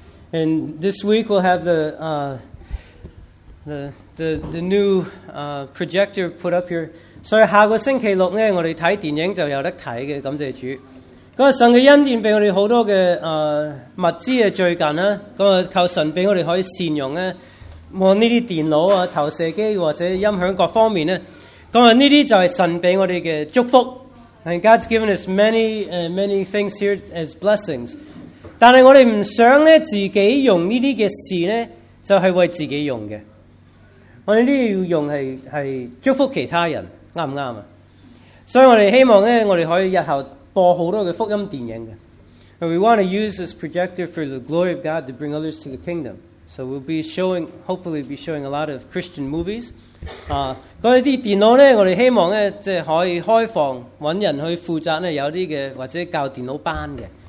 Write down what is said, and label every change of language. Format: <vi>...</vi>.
<en>And this week we'll have the new projector put up here.</en> <yue>所以下个星期六咧，我哋睇电影就有得睇嘅。感谢主。咁神嘅恩典俾我哋好多嘅物资嘅最近啦。咁靠神俾我哋可以善用咧。我呢啲电脑啊、投射机或者音响各方面咧，咁啊呢啲就系神俾我哋嘅祝福。</yue> <en>And God's given us many many things here as blessings。</en> <yue>但系我哋唔想咧自己用呢啲嘅事咧，就系为自己用嘅。我哋呢啲要用系祝福其他人，啱唔啱啊？所以我哋希望咧，我哋可以日后播好多嘅福音电影嘅。</yue> <en>And we want to use this projector for the glory of God to bring others to the kingdom。 So we'll be showing, hopefully be showing a lot of Christian movies.</en> <yue>嗰啲電腦咧，我哋希望咧，即係可以開放揾人去負責咧，有啲嘅或者教電腦班嘅。</yue>